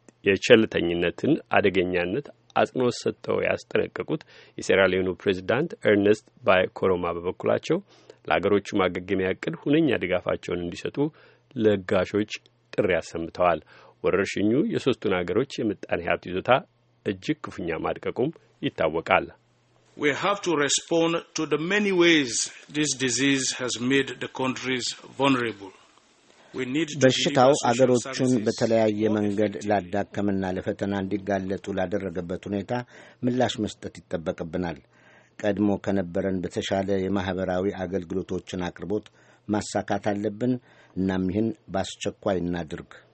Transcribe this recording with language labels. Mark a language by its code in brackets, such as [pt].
[am] የቸልተኝነትን አደገኛነት አጽንኦት ሰጥተው ያስጠነቀቁት የሴራሊዮኑ ፕሬዚዳንት ኤርነስት ባይ ኮሮማ በበኩላቸው ለአገሮቹ ማገገሚያ እቅድ ሁነኛ ድጋፋቸውን እንዲሰጡ ለጋሾች ጥሪ አሰምተዋል። ወረርሽኙ የሶስቱን አገሮች የምጣኔ ሀብት ይዞታ እጅግ ክፉኛ ማድቀቁም ይታወቃል። [en] We have to respond to the many ways this disease has made the countries vulnerable. [am] በሽታው አገሮቹን በተለያየ መንገድ ላዳከምና ለፈተና እንዲጋለጡ ላደረገበት ሁኔታ ምላሽ መስጠት ይጠበቅብናል። ቀድሞ ከነበረን በተሻለ የማህበራዊ አገልግሎቶችን አቅርቦት ማሳካት አለብን። እናም ይህን በአስቸኳይ እናድርግ።